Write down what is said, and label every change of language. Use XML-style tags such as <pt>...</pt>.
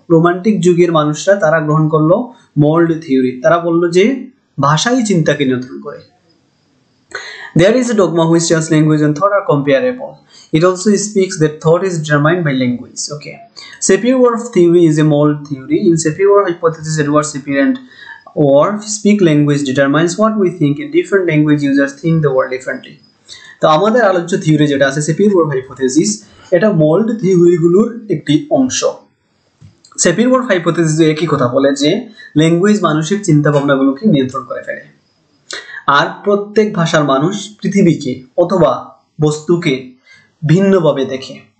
<bn>Romantic যুগের মানুষরা তারা গ্রহণ করলো মোল্ড থিওরি, তারা বললো যে ভাষাই চিন্তাকে নিয়ন্ত্রণ করে।</bn> <en>There is a dogma which says language and thought are comparable, it also speaks that thought is determined by language. Okay, Sapir Whorf theory is a mould theory. In Sapir Whorf hypothesis Edward Sapir and or speak language determines what we think and different language users think the world differently.</en> <bn>তো আমাদের আলোচ্য theory যেটা আছে সেপির wharf hypothesis, এটা mould থিওরিগুলোর একটি অংশ। সেপির wharf hypothesis একই কথা বলে যে ল্যাঙ্গুয়েজ মানুষের চিন্তা ভাবনাগুলোকে নিয়ন্ত্রণ করে ফেলে, আর প্রত্যেক ভাষার মানুষ পৃথিবীকে অথবা বস্তুকে ভিন্নভাবে দেখে।</bn>